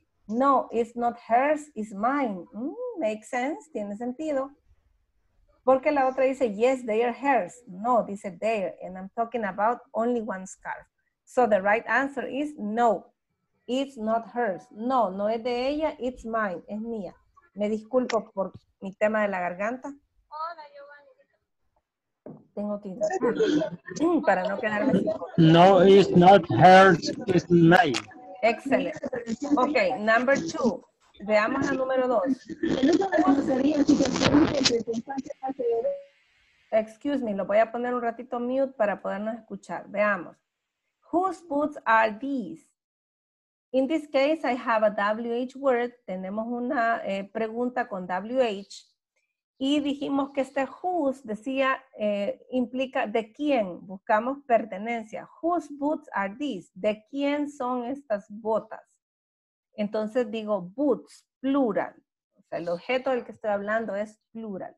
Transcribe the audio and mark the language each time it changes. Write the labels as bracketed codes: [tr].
[en] No, it's not hers, it's mine. Makes sense, [es] tiene sentido. Porque la otra dice, [en] yes, they are hers. No, dice there, and I'm talking about only one scarf. So the right answer is no, it's not hers. [es] No, no es de ella, [en] it's mine, [es] es mía. Me disculpo por mi tema de la garganta. Hola, Giovanni. Tengo que ir para no quedarme sin. [en] No, it's not hers, it's mine. [es] Excelente. [en] Ok, number two. [es] Veamos la número dos. [en] Excuse me, [es] lo voy a poner un ratito mute para podernos escuchar. Veamos. [en] Whose boots are these? In this case, I have a WH word. [es] Tenemos una pregunta con WH. Y dijimos que este whose decía, implica de quién. Buscamos pertenencia. [en] Whose boots are these? [es] ¿De quién son estas botas? Entonces digo boots, plural. O sea, el objeto del que estoy hablando es plural.